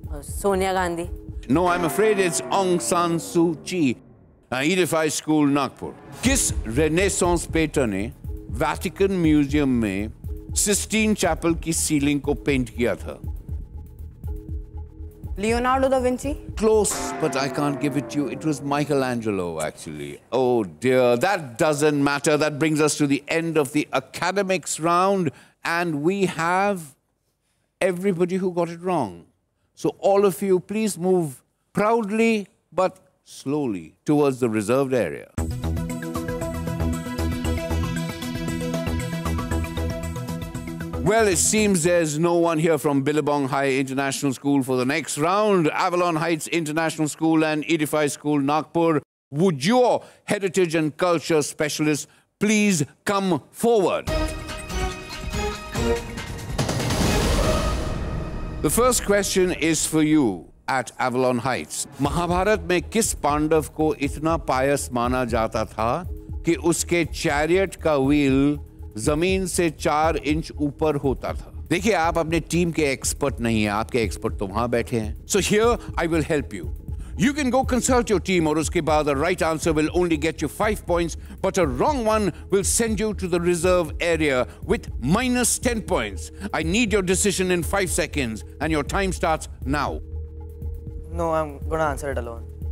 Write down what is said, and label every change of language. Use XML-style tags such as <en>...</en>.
<hi>Sonia Gandhi.</hi> <en>No, I am afraid it's Aung San Suu Kyi. Identify school, Nagpur.</en> <hi>किस रेनेसांस पेंटर ने वैटिकन म्यूजियम में सिस्टीन चैपल की सीलिंग को पेंट किया था?</hi> <en>Leonardo da Vinci. Close, but I can't give it to you. It was Michelangelo, actually. Oh dear, that doesn't matter. That brings us to the end of the academics round. And we have everybody who got it wrong. So all of you, please move proudly, but slowly, towards the reserved area. Well, it seems there's no one here from Billabong High International School for the next round. Avalon Heights International School and Edify School, Nagpur, would your heritage and culture specialist please come forward? The first question is for you at Avalon Heights.</en> <hi>Mahabharat mein kis Pandav ko itna pious mana jata tha ki uske chariot ka wheel जमीन से 4 inch ऊपर होता था? देखिए, आप अपने team के expert नहीं है, आपके एक्सपर्ट तो वहां बैठे हैं।</hi> <en>So here I will help you. You can go consult your team, or</en> <hi>uske baad</hi> <en>the right answer will only get you 5 points, but a wrong one will send you to the reserve area with minus 10 points. I need your decision in 5 seconds, and your time starts now. No, I'm going to answer it alone.</en>